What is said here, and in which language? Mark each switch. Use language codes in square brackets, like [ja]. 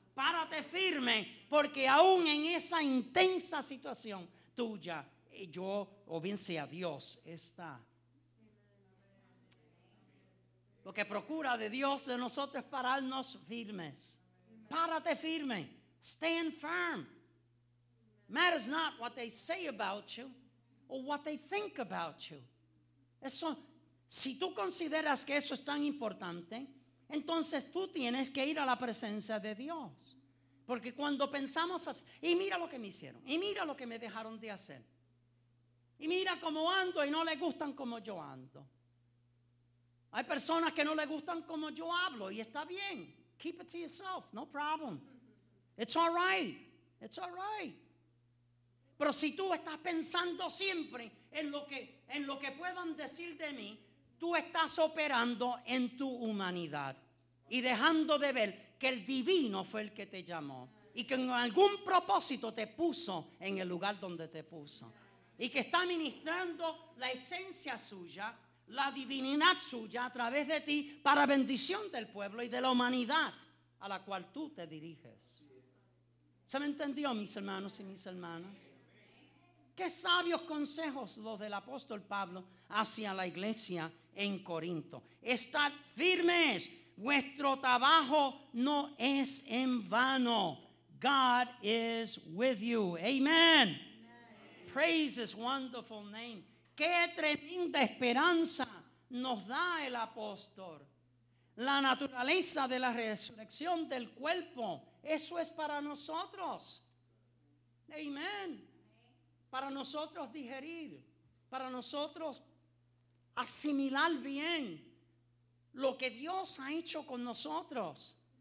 [es] Párate firme, porque aún en esa intensa situación tuya, yo, o bien sea Dios, está. Lo que procura de Dios de nosotros es pararnos firmes. Párate firme. [en] Stand firm. Matters not what they say about you or what they think about you. [es] Eso, si tú consideras que eso es tan importante, entonces tú tienes que ir a la presencia de Dios. Porque cuando pensamos así, y mira lo que me hicieron, y mira lo que me dejaron de hacer, y mira cómo ando y no le gustan como yo ando. Hay personas que no le gustan como yo hablo, y está bien. [en] Keep it to yourself, no problem. It's all right, it's all right. [es] Pero si tú estás pensando siempre en lo que puedan decir de mí, tú estás operando en tu humanidad y dejando de ver que el divino fue el que te llamó y que en algún propósito te puso en el lugar donde te puso y que está ministrando la esencia suya, la divinidad suya a través de ti para bendición del pueblo y de la humanidad a la cual tú te diriges. ¿Se me entendió, mis hermanos y mis hermanas? Qué sabios consejos los del apóstol Pablo hacia la iglesia en Corinto. Estad firmes, vuestro trabajo no es en vano. [en] God is with you. Amen. Amen. Praise his wonderful name. [es] Qué tremenda esperanza nos da el apóstol. La naturaleza de la resurrección del cuerpo, eso es para nosotros. Amen. Para nosotros digerir, para nosotros asimilar bien lo que Dios ha hecho con nosotros.